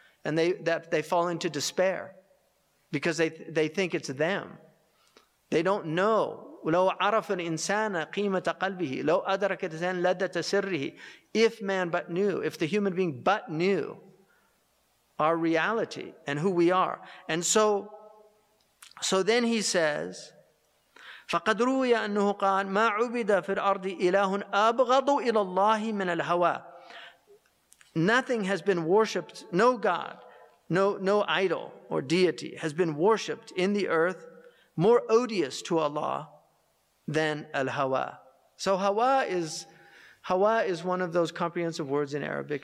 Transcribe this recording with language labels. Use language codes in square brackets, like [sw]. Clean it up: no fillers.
[en] And they fall into despair because they think it's them. They don't know. [ar] لَوْ عَرَفَ الْإِنسَانَ قِيمَةَ قَلْبِهِ لَوْ أَدْرَكَ الْإِنسَانَ لَذَّةَ سِرِّهِ. [en] If man but knew, if the human being but knew our reality and who we are. And so then he says, [ar] فَقَدْ رُوِيَ أَنُّهُ قَالْ مَا عُبِدَ فِي الْأَرْضِ إِلَهٌ أَبْغَضُ إِلَى اللَّهِ مِنَ الْهَوَى. [en] Nothing has been worshipped, no god, no idol or deity has been worshipped in the earth more odious to Allah than al-hawa. So hawa is one of those comprehensive words in Arabic.